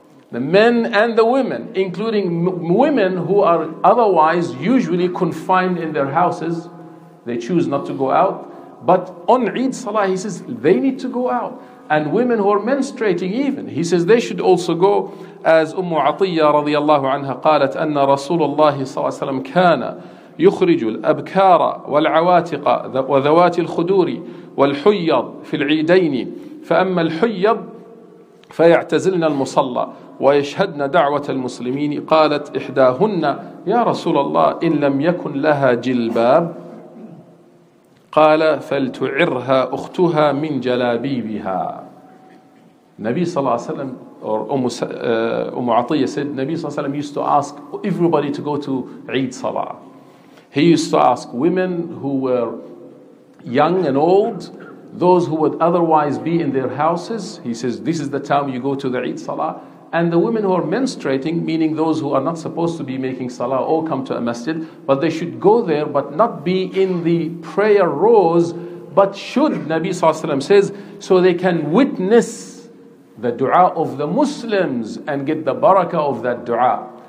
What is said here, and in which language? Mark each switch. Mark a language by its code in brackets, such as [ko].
[en] The men and the women, including women who are otherwise usually confined in their houses, they choose not to go out. But on Eid Salah, he says, they need to go out. And women who are menstruating even, he says they should also go. [ar] As Ummu Atiyya radiallahu anha qalat anna Rasulullah sallallahu alayhi wa sallam kana يخرج الأبكار والعواتق وذوات الخدور والحيض في العيدين فأما الحيض فيعتزلن المصلى ويشهدن دعوة المسلمين قالت إحداهن يا رسول الله إن لم يكن لها جلباب قال فلتعرها أختها من جلابيبها. [en] نبي صلى الله عليه وسلم or أمو عطية said نبي صلى الله عليه وسلم used to ask everybody to go to عيد صلاة. He used to ask women who were young and old, those who would otherwise be in their houses. He says, this is the time you go to the Eid Salah. And the women who are menstruating, meaning those who are not supposed to be making Salah or come to a masjid, but they should go there, but not be in the prayer rows, but should, Nabi Sallallahu Alaihi Wasallam says, so they can witness the dua of the Muslims and get the barakah of that dua.